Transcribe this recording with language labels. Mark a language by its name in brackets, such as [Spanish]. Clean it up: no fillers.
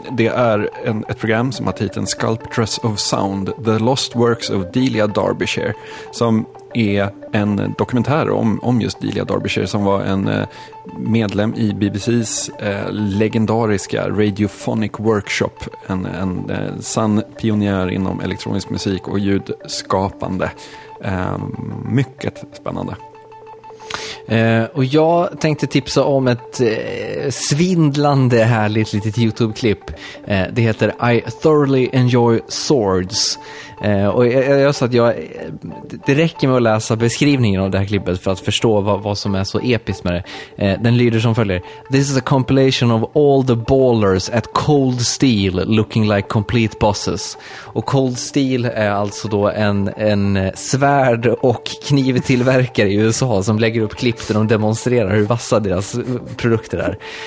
[Swedish] Det är ett program som har titeln Sculptress of Sound, The Lost Works of Delia Derbyshire, som är en dokumentär om just Delia Derbyshire, som var en medlem i BBC:s legendariska Radiophonic Workshop, en sann pionjär inom elektronisk musik och ljudskapande. Mycket spännande. Och jag tänkte tipsa om ett svindlande härligt litet YouTube-klipp. Det heter I Thoroughly Enjoy Swords. Och jag sa att det räcker med att läsa beskrivningen av det här klippet för att förstå vad som är så episkt med det. Den lyder som följer: [English] This is a compilation of all the ballers at Cold Steel looking like complete bosses. [Swedish] Och Cold Steel är alltså då en svärd- och knivtillverkare i USA som lägger upp klipp där de demonstrerar hur vassa deras produkter är.